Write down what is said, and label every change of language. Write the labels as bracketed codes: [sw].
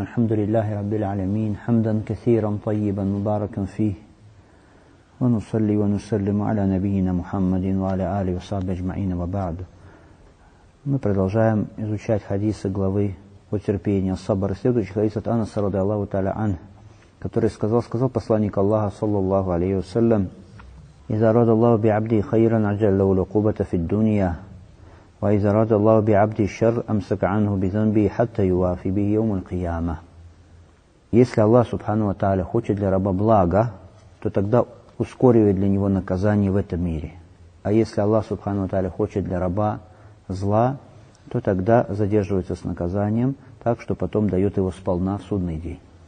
[ar] الحمد لله رب العالمين، حمدا كثيرا طيبا مباركا فيه، ونصلي ونسلم على نبينا محمد وعلى آله وصحبه أجمعين، وبعد. [ru] Мы продолжаем изучать хадисы главы о терпении, صبر. Следующий хадис от Анаса [ar] رضي الله تعالى عنه, [ru] который сказал посланник Аллаха [ar] صلى الله عليه وسلم: إذا أراد الله بعبده خيرا عجل له العقوبة في الدنيا، وإذا أراد الله بعبده الشر أمسك عنه بذنبه حتى يوافي به يوم القيامة. [ru] Если Аллах سبحانه وتعالى хочет для раба блага, то тогда ускоривает для него наказание в этом мире. А если Аллах سبحانه وتعالى хочет для раба зла, то тогда задерживается с наказанием, так что потом дает его сполна в судный день.